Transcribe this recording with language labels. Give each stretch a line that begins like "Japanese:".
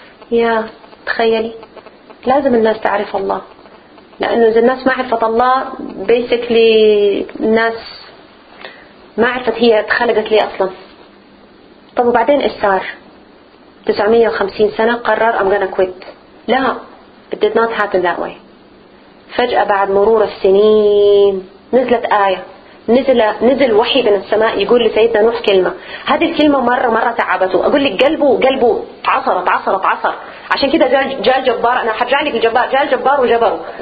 Arabic: يا تخيلي، لازم الناس تعرف الله، لأنه إذا الناس ما عرفت الله بيسكلي الناس ما عرفت هي تخلقت لي أصلا. طب وبعدين إيش صار؟ 950 سنة قرر
English: I'm gonna quit. لا it did not happen that way.
Arabic: فجأة بعد مرور السنين نزلت آية، نزل وحي من السماء يقول لسيدنا نوح كلمة. هذه الكلمة مرة تعبته، أقول لك قلبه تعصر. عشان كده جال جبار، أنا حرجع لك الجبار، جال جبار وجبره.